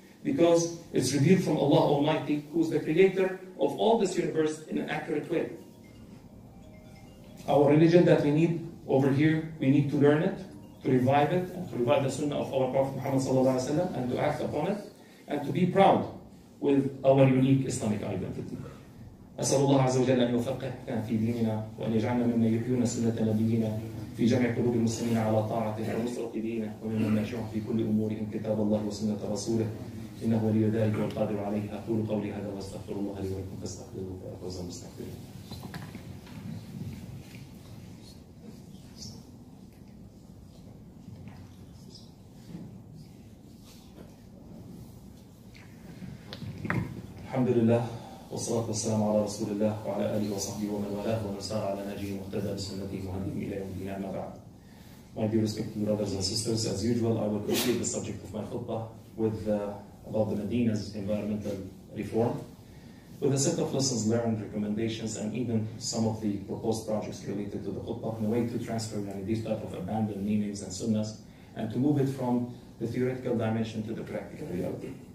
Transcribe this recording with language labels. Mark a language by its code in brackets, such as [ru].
[en] Because it's revealed from Allah Almighty, who's the creator of all this universe in an accurate way. Our religion that we need over here, we need to learn it, to revive it, and to revive the sunnah of our Prophet Muhammad sallallahu alaihi wasallam, and to act upon it, and to be proud with our unique Islamic identity. [ar] أسأل الله عز وجل أن يفقهنا في ديننا وأن يجعلنا ممن يحيون سنة نبينا في جمع قلوب المسلمين على طاعته ونصرة دينه وممن ناشئهم في كل أمورهم كتاب الله وسنة رسوله إنه ولي ذلك والقادر عليه. أقول قولي هذا وأستغفر الله لي ولكم فاستغفروه فهو المستغفر. الحمد لله والصلاة والسلام على رسول الله وعلى آله وصحبه ومن والاه ومن سار على نهجه المهتدى بسنته المهدي إلى يوم الدين. أما بعد، [en] My dear respected brothers and sisters, as usual, I will conclude the subject of my khutbah with about the Medina's environmental reform, with a set of lessons learned, recommendations, and even some of the proposed projects related to the khutbah in a way to transfer these type of abandoned meanings and sunnahs and to move it from the theoretical dimension to the practical reality.